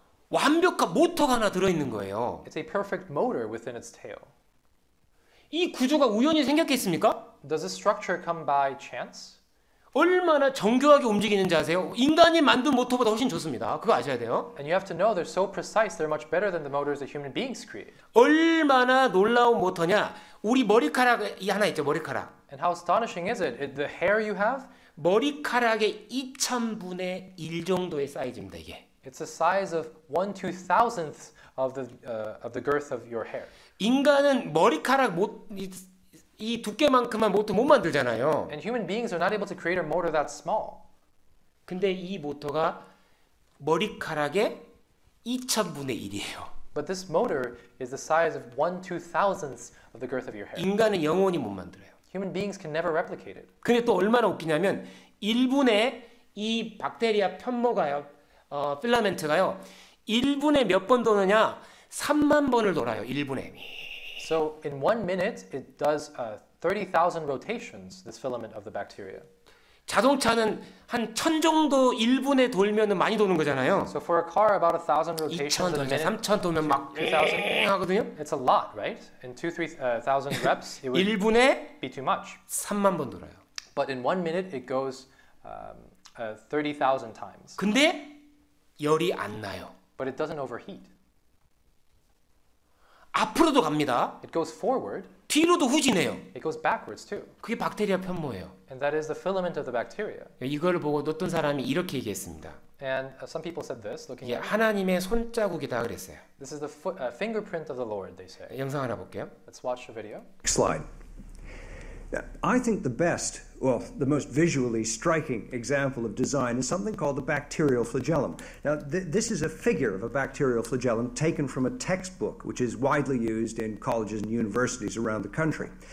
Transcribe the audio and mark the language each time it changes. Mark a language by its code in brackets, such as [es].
[ko] 완벽한 모터가 하나 들어 있는 거예요. [en] It's a perfect motor within its tail. [ko] 이 구조가 우연히 생겼겠습니까? [en] Does this structure come by chance? [ko] 얼마나 정교하게 움직이는지 아세요? 인간이 만든 모터보다 훨씬 좋습니다. 그거 아셔야 돼요. [en] And you have to know they're so precise. They're much better than the motors that human beings create. [ko] 얼마나 놀라운 모터냐? 우리 머리카락이 하나 있죠, 머리카락. [en] And how astonishing is it? The hair you have? [ko] 머리카락의 2,000분의 1 정도의 사이즈입니다, 이게. [en] It's the size of 1/2000th of the girth of your hair. [ko] 인간은 머리카락 이 두께만큼만 모터 못 만들잖아요. [en] And human beings are not able to create a motor that small. [ko] 근데 이 모터가 머리카락의 2,000분의 1이에요. [en] But this motor is the size of 1/2000th of the girth of your hair. [ko] 인간은 영원히 못 만들어요. [en] Human beings can never replicate it. [ko] 근데 또 얼마나 웃기냐면 1분의 이 박테리아 편모가요, 필라멘트가요, 1분에 몇 번 도느냐? 3만 번을 돌아요, 1분에. [en] So in 1 minute, it does 30,000 rotations, this filament of the bacteria. [ko] 자동차는 한 1,000 정도 1분에 돌면 많이 도는 거잖아요. [en] So for a car, about 1,000 rotations 2000 a minute. [ko] 3,000 도면 막 2,000 하거든요. [en] It's a lot, right? In 2,000 reps, it would [ko] 1분에 [en] be too much. [ko] 3만 번 돌아요. [en] But in 1 minute, it goes 30,000 times. [ko] 근데 열이 안 나요. [en] But it doesn't overheat. [ko] 앞으로도 갑니다. [en] It goes forward. [ko] 뒤로도 후진해요. [en] It goes backwards too. [ko] 그게 박테리아 편모예요. [en] And that is the filament of the bacteria. [ko] 이거를 보고 어떤 사람이 이렇게 얘기했습니다. [en] And some people said this, looking at [ko] 예, 하나님의 손자국이다 그랬어요. [en] This is the fingerprint of the Lord, they say. [ko] 영상 하나 볼게요. [en] Let's watch the video. Next slide. I think the best, well, the most visually striking example of design is something called the bacterial flagellum. Now, this is a figure of a bacterial flagellum taken from a textbook, which is widely used in colleges and universities around the country.